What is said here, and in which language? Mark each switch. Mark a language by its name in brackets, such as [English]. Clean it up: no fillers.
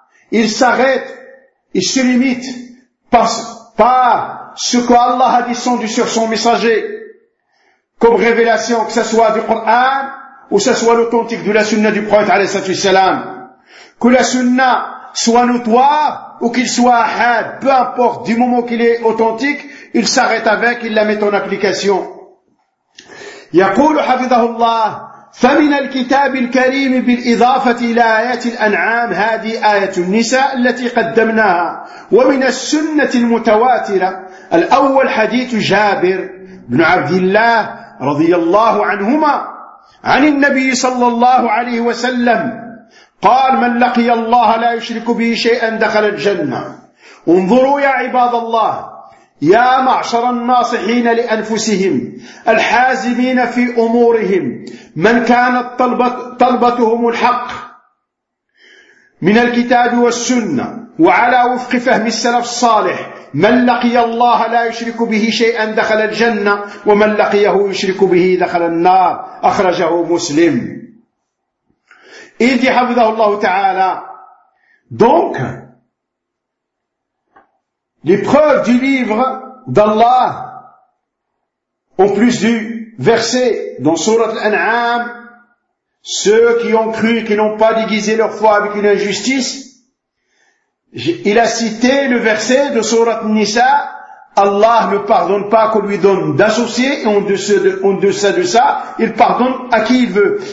[French] Ils s'arrêtent, ils se limitent par ce que Allah a descendu sur son messager comme révélation, que ce soit du Coran ou que ce soit l'authentique de la sunna du prophète alayhi wa sallam. Que la sunna soit notoire ou qu'il soit ahad, peu importe, du moment qu'il est authentique, il s'arrête avec, il la met en application. [Arabic] يقول حفظه الله فمن الكتاب الكريم بالإضافة إلى آيات الأنعام هذه آية النساء التي قدمناها ومن السنة المتواترة الأول حديث جابر بن عبد الله رضي الله عنهما عن النبي صلى الله عليه وسلم قال من لقي الله لا يشرك به شيئا دخل الجنة انظروا يا عباد الله يا معشر الناصحين لأنفسهم الحازمين في أمورهم من كانت طلبتهم الحق من الكتاب والسنة وعلى وفق فهم السلف الصالح من لقي الله لا يشرك به شيئا دخل الجنة ومن لقيه يشرك به دخل النار أخرجه مسلم. إذ حفظه الله تعالى. [French] Donc, les preuves du livre d'Allah, en plus du verset dans Sourate Al-An'am, ceux qui ont cru et qui n'ont pas déguisé leur foi avec une injustice, il a cité le verset de Sourate Nisa, Allah ne pardonne pas qu'on lui donne d'associés, et en deçà de ça, il pardonne à qui il veut.